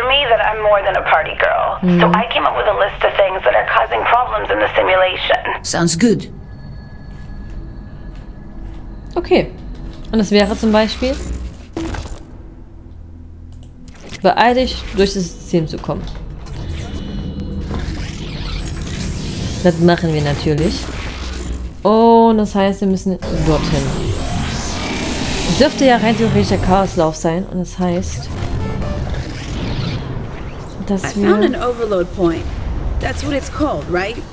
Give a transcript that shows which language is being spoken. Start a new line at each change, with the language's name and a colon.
English: That I'm more than a party girl. Mm. So I came up with a list of things that are causing problems in the simulation. Sounds good. Okay.
German: Und das wäre zum Beispiel, beeil dich, durch das System zu kommen. Das machen wir natürlich. Und das heißt, wir müssen dorthin. Das dürfte ja rein theoretischer Chaoslauf sein. Und das heißt,
English: I found an overload point. That's what it's called, right?